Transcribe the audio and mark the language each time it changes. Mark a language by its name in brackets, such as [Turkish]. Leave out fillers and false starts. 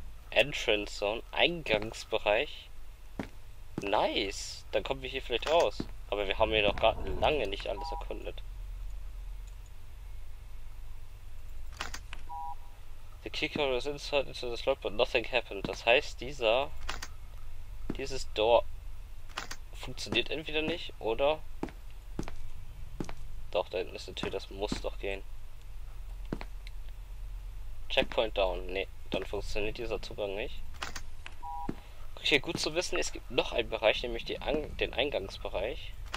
[English] Entrance Zone, Eingangsbereich. Nice. [German] Dann kommen wir hier vielleicht raus. Aber wir haben hier noch gar lange nicht alles erkundet. [English] The keycard was inserted into the slot, but nothing happened. [German] Das heißt, dieses Door funktioniert entweder nicht oder. Doch, da hinten ist eine Tür, das muss doch gehen. [English] Checkpoint down. [German] Nee. Dann funktioniert dieser Zugang nicht. Okay, gut zu wissen, es gibt noch einen Bereich, nämlich den Eingangsbereich.